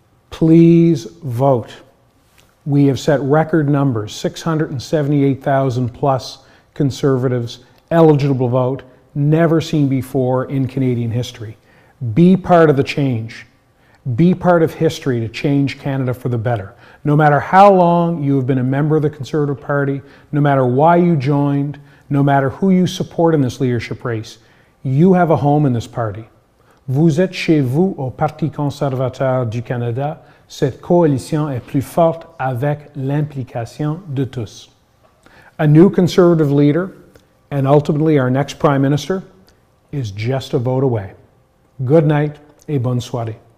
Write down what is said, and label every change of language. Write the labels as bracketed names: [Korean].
[English] Please vote. We have set record numbers, 678,000 plus Conservatives eligible to vote, never seen before in Canadian history. Be part of the change. Be part of history to change Canada for the better. No matter how long you have been a member of the Conservative Party, no matter why you joined, no matter who you support in this leadership race, you have a home in this party. [French] Vous êtes chez vous au Parti conservateur du Canada. Cette coalition est plus forte avec l'implication de tous. [English] A new Conservative leader, and ultimately our next Prime Minister, is just a vote away. Good night [French] et bonne soirée.